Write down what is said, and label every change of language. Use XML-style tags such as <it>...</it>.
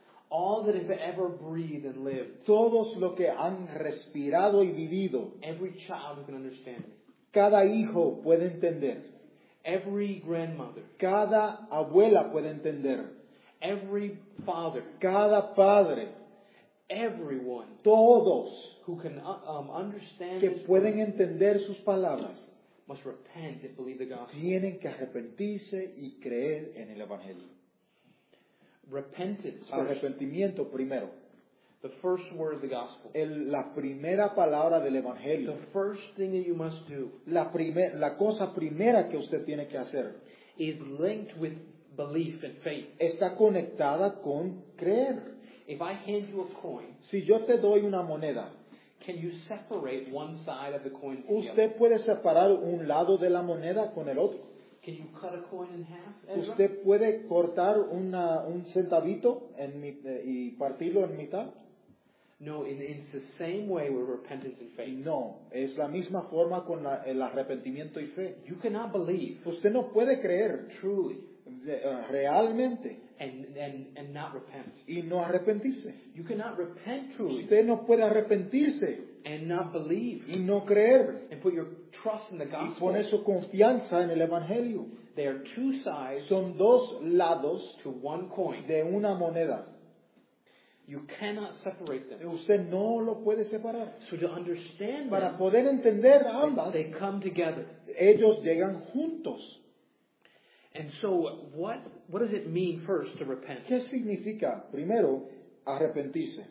<en>All that have ever breathed and lived.</en> <es>Todos lo que han respirado y vivido.</es> <en>Every child can understand.</en> <es>Cada hijo puede entender.</es> <en>Every grandmother.</en> <es>Cada abuela puede entender.</es> <en>Every father.</en> <es>Cada padre.</es> <en>Everyone.</en> <es>Todos.</es> <en>Who can understand.</en> <es>Que pueden entender sus palabras.</es> <en>Must repent and believe the gospel.</en> <es>Tienen que arrepentirse y creer en el evangelio.</es> <en>Repentance.</en> <es>Arrepentimiento primero.</es> <en>The first word of the gospel.</en> <es>La primera palabra del evangelio.</es> <en>The first thing that you must do.</en> <es>La cosa primera que usted tiene que hacer.</es> <en>Is linked with belief and faith.</en> <es>Está conectada con creer.</es> <en>If I hand you a coin.</en> <es>Si yo te doy una moneda.</es> <en>Can you separate one side of the coin?</en> <es>Usted puede separar un lado de la moneda con el otro.</es> <en>Can you cut a coin in half, Ezra?</en> <es>¿Usted puede cortar un centavito y partirlo en mitad?</es> <en>No, it's the same way with repentance and faith.</en> <es>No, es la misma forma con el arrepentimiento y fe.</es> <en>You cannot believe.</en> <es>Usted no puede creer.</es> <en>Truly.</en> <es>Realmente.</es> <en>And not repent.</en> <es>Y no arrepentirse.</es> <en>You cannot repent truly.</en> <es>Usted no puede arrepentirse.</es> <en>And not believe.</en> <es>Y no creer.</es> <en>And put your trust in the gospel.</en> <es>Y poner su confianza en el evangelio.</es> <en>There are two sides.</en> <es>Son dos lados.</es> <en>To one coin.</en> <es>De una moneda.</es> <en>You cannot separate them.</en> <es>Usted no lo puede separar.</es> <en>So to understand.</en> <es>Para poder entender ambas.</es> <en>They come together.</en> <es>Ellos llegan juntos.</es> <en>And so what does it mean first to repent?</en> <es>¿Qué significa primero arrepentirse?</es>